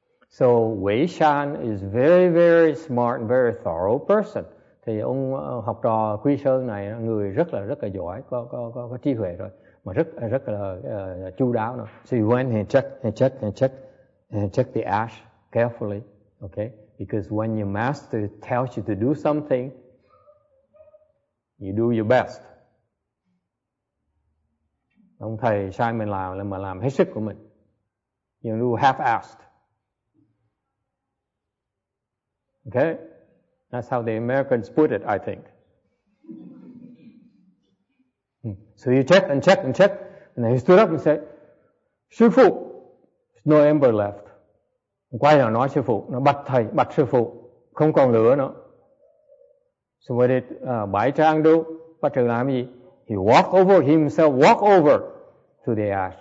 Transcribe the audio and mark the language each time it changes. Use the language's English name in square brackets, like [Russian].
[English] So Wei Shan is very very smart, very thorough person. [Vietnamese] Thì ông học trò Quy Sơn này người rất là giỏi, có trí huệ rồi, mà rất là chu đáo nữa. [English] So he went and checked the ash carefully, okay? Because when your master tells you to do something, you do your best. [Vietnamese] Ông thầy sai mình làm là mà làm hết sức của mình. [English] You do half-assed. Okay? That's how the Americans put it, I think. So you check and check and check. And then he stood up and said, "Sư phụ, no ember left." [Vietnamese] Quay lại nói sư phụ, nó bạch thầy, bạch sư phụ, không còn lửa nữa. [English] So what did Bái Trang do? [Vietnamese] Bạch trưởng làm gì? [English] He walked over himself, walked over to the ash.